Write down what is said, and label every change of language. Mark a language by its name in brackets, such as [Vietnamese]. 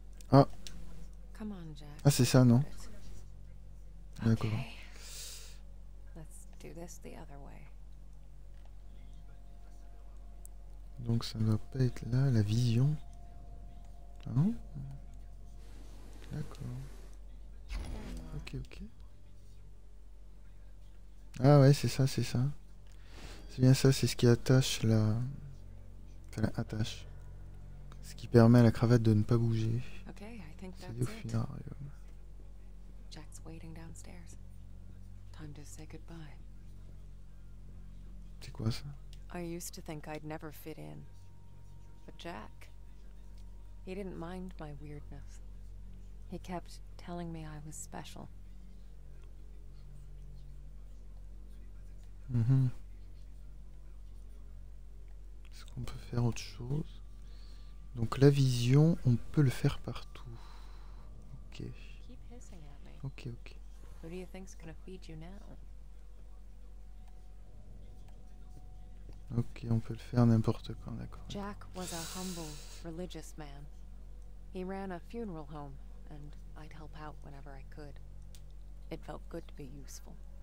[English] Ah. Come on, Jack. [French] Ah, c'est ça, non? D'accord. [English] Okay. Let's do this the other way. [French] Donc ça ne va pas être là, la vision. Hein? D'accord. Ok. Ah ouais, c'est ça. C'est bien ça, c'est ce qui attache la... Enfin, la attache. Ce qui permet à la cravate de ne pas bouger. C'est au funérarium. [English] Jack's waiting downstairs. Time to say goodbye. [French] C'est quoi ça? [English] I used to think I'd never fit in. But Jack... He didn't mind my weirdness. He kept telling me I was special. [French] Est-ce qu'on peut faire autre chose? Donc la vision, on peut le faire partout. Ok. [English] Keep hissing at me. Ok. Who do you think's gonna feed you now? [French] Ok, on peut le faire n'importe quand, d'accord. [English] Jack was a humble, religious man. He ran a funeral home, and I'd help out whenever I could. It felt good to be useful.